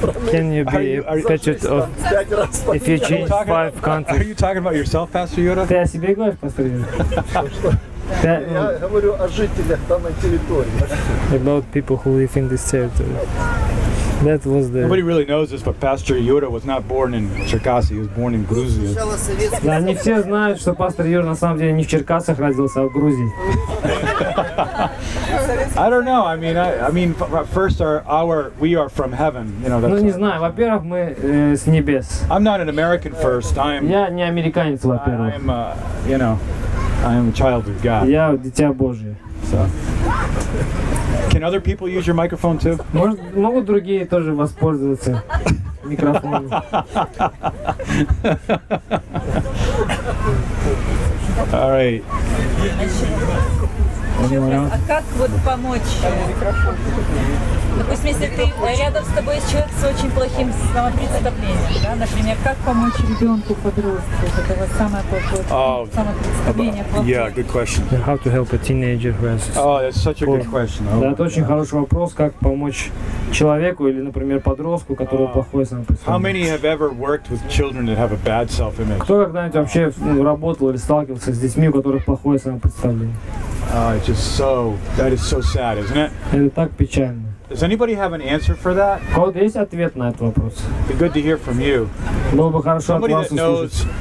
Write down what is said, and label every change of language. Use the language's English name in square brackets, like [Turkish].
[English] Can you be a patriot of if you change five countries? Are you talking about yourself, Pastor Yoda? [Russian] Ты о себе говоришь, Пастор Юра? Я говорю о жителях данной территории. [English] About people who live in this territory. That was the... Nobody really knows this, but Pastor Yoda was not born in Cherkasy. He was born in Grozny. [Russian] Да, не все знают, что пастор Юра на самом деле не в Черкасах родился, а в Грузии. [English] I don't know. I mean, first we are from heaven. You know. [Russian] Ну не знаю. Во-первых, мы с небес. [English] I'm not an American first. I'm. [Russian] Я не американец, во-первых. [English] I'm, you know, I am a child of God. [Russian] Я дитя Божье. [English] So. Can other people use your microphone too? [Russian] Может, могут другие тоже воспользоваться микрофоном. [English] All right. [Russian] А как вот помочь? Допустим, если ты рядом с тобой человек с очень плохим самопредставлением, да, например, как помочь ребенку подростку, это вот самое плохое самопредставление. [English] Yeah, good question. How to help a teenager who has? Oh, that's such a good question. [Russian] Да, это очень хороший вопрос, как помочь человеку или, например, подростку, которого плохое самопредставление. [English] How many have ever worked with children that have a bad self-image? [Russian] Кто когда-нибудь вообще работал или сталкивался с детьми, у которых плохое самопредставление? [English] That is so sad, isn't it? [Russian] Это так печально. [English] Does anybody have an answer for that? [Russian] Кто-то есть ответ на этот вопрос? [English] Be good to hear from you. [Russian] Было бы хорошо [English] somebody [Russian] от вас услышать.